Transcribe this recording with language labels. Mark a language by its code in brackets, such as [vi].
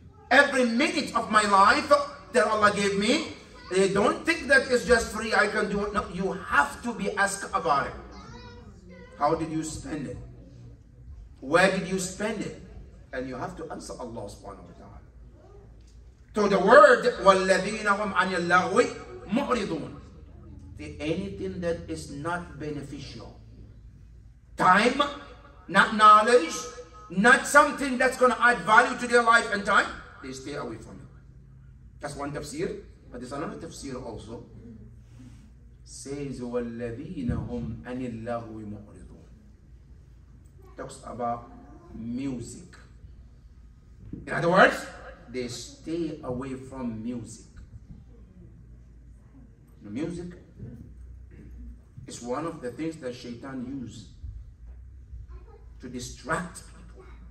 [en] Every minute of my life that Allah gave me, They don't think that it's just free, I can do it. No, you have to be asked about it. How did you spend it? Where did you spend it? And you have to answer Allah subhanahu wa ta'ala. To the word, [ar] وَالَّذِينَ هُمْ عَنِ اللَّغْوِ مُعْرِضُونَ. [en] The anything that is not beneficial. Time, not knowledge, not something that's going to add value to their life and time, they stay away from it. That's one tafsir. But there's another tafsir also. [ar] Says, وَالَّذِينَ هُمْ عَنِ اللَّغْوِ مُعْرِضُونَ. [en] Talks about music. In other words, they stay away from music. The music is one of the things that Shaitan uses to distract people.